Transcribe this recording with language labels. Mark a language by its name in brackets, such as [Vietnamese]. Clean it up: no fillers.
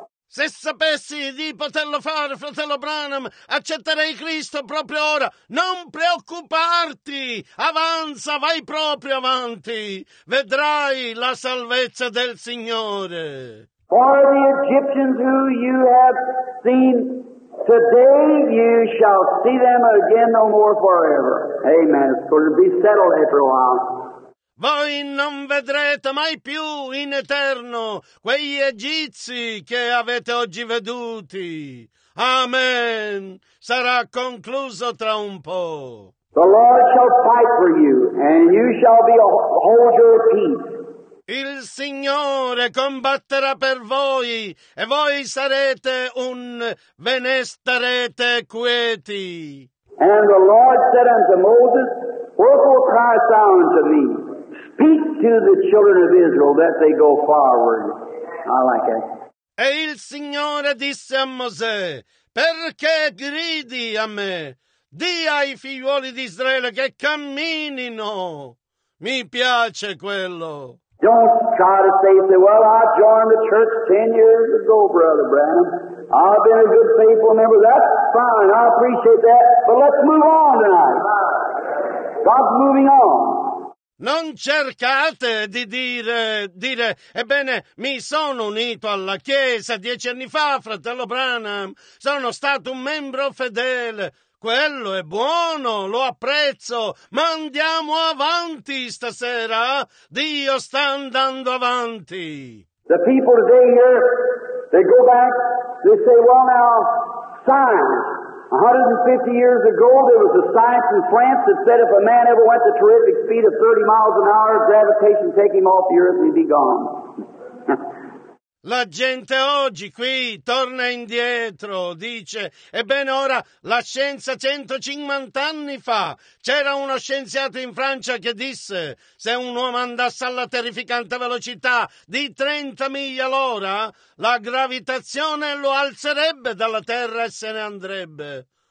[Italian] Se sapessi di poterlo fare, fratello Branham, accetterei Cristo proprio ora. Non preoccuparti. Avanza, vai proprio avanti. Vedrai la salvezza del Signore. [English] For the Egyptians who you have seen today, you shall see them again no more forever. Amen. It's going to be settled after a while. [Italian] Voi non vedrete mai più in eterno quegli egizi che avete oggi veduti. Amen. Sarà concluso tra un po'. [English] The Lord shall fight for you, and you shall be a hold your peace. [Italian] Il Signore combatterà per voi, e voi sarete un ve ne starete quieti. [English] And the Lord said unto Moses, wherefore criest thou unto me? Speak to the children of Israel that they go forward. I like it. [Italian] E il Signore disse a Mosè, perché gridi a me? Di ai figlioli di Israele che camminino. Mi piace quello. [English] Don't try to say, well, I joined the church 10 years ago, Brother Branham. I've been a good faithful member. That's fine. I appreciate that. But let's move on tonight. God's moving on. [Italian] Non cercate di dire, ebbene, mi sono unito alla Chiesa 10 anni fa, fratello Branham, sono stato un membro fedele, quello è buono, lo apprezzo, ma andiamo avanti stasera, Dio sta andando avanti. [English] The people today here, they go back, they say, well now, signs. 150 years ago, there was a science in France that said if a man ever went the terrific speed of 30 miles an hour, gravitation take him off the earth and he'd be gone. [Italian] La gente oggi qui torna indietro, dice, ebbene ora la scienza 150 anni fa, c'era uno scienziato in Francia che disse, se un uomo andasse alla terrificante velocità di 30 miglia l'ora, la gravitazione lo alzerebbe dalla terra e se ne andrebbe.